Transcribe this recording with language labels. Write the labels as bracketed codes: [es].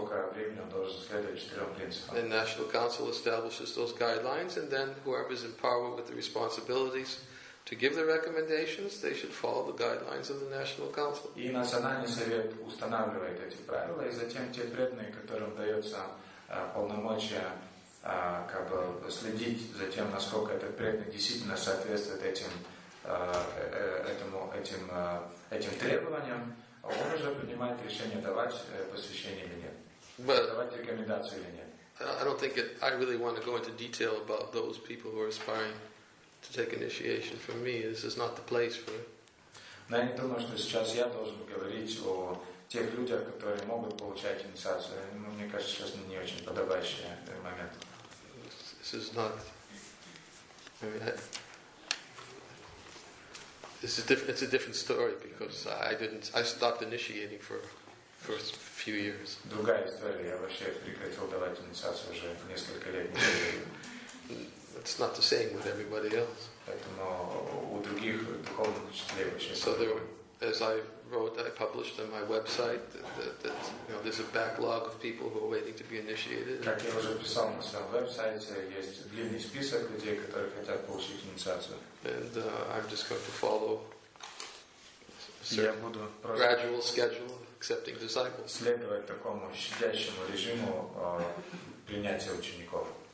[en] The National Council establishes those guidelines, and then whoever is in power with the responsibilities to give the recommendations, they should follow the guidelines of the National Council. [ru] И национальный совет устанавливает эти правила, и затем те преданные, которым дается полномочия. Как бы следить за тем, насколько этот предмет действительно соответствует этим требованиям, он уже принимает решение давать посвящение или нет, давать рекомендацию или нет. [en] I don't think I really want to go into detail about those people who are aspiring to take initiation. For me, this is not the place for it. [ru] Но я не думаю, что сейчас я должен говорить о тех людях, которые могут получать инициацию. Ну, мне кажется, сейчас не очень подобающий этот момент. [en] This is not. It's a different story because I stopped initiating for a few years. [ru] Другая история. Я вообще прекратил давать инициацию уже несколько лет. [en] It's not the same with everybody else. [ru] Поэтому у других духовных учителей вообще. [en] So there, as I wrote, I published on my website that you know, there's a backlog of people who are waiting to be initiated. [ru] Как я уже писал на своем веб-сайте, есть длинный список людей, которые хотят получить инициацию. [en] And I'm just going to follow [ru] я буду [en] gradual schedule of accepting disciples. [ru] Следовать такому щадящему режиму принятия учеников.